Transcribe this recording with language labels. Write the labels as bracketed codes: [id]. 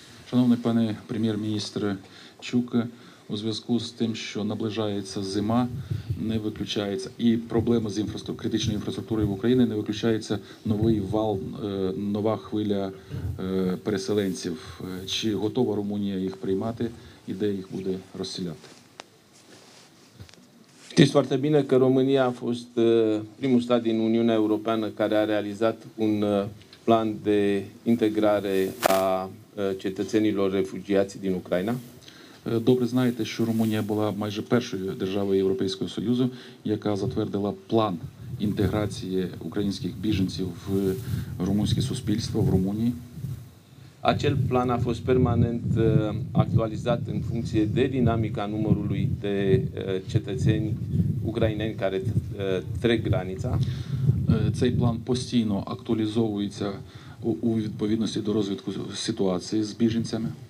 [uk] Шановний пане прем'єр-міністр Чука, у зв'язку з тим, що наближається зима, не виключається, і проблема з критичною інфраструктурою в Україні, не виключається новий вал, нова хвиля переселенців. Чи готова Румунія їх приймати і де їх буде розселяти? [ro] Știți foarte bine că România a fost primul stat din Uniunea Europeană care a realizat un plan de integrare a cetățenilor refugiați din Ucraina. [uk] Добре знаєте, що Румунія була майже першою державою Європейського Союзу, яка затвердила план інтеграції українських біженців в румунське суспільство, в Румунії. [ro] Acel plan a fost permanent actualizat în funcție de dinamica numărului de cetățeni ucraineni care trec granița. [uk] Цей план постійно актуалізовується у відповідності до розвитку ситуації з біженцями.